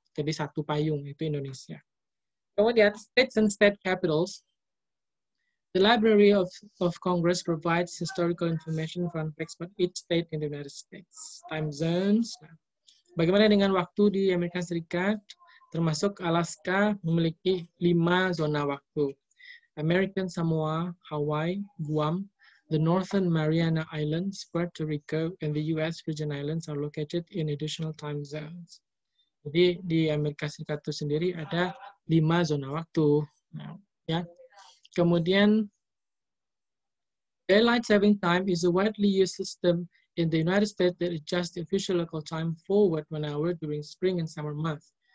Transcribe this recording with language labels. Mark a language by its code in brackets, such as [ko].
[id] Jadi satu payung, itu Indonesia. [en] Kemudian, states and state capitals. The Library of Congress provides historical information from facts about each state in the United States. Time zones. [id] Bagaimana dengan waktu di Amerika Serikat? Termasuk Alaska memiliki 5 zona waktu. [en] American Samoa, Hawaii, Guam, the Northern Mariana Islands, Puerto Rico, and the US Virgin Islands are located in additional time zones. [id] Jadi di Amerika Serikat itu sendiri ada 5 zona waktu. Ya. [en] Kemudian, Daylight Saving Time is a widely used system in the United States that adjusts the official local time forward 1 hour during spring and summer months.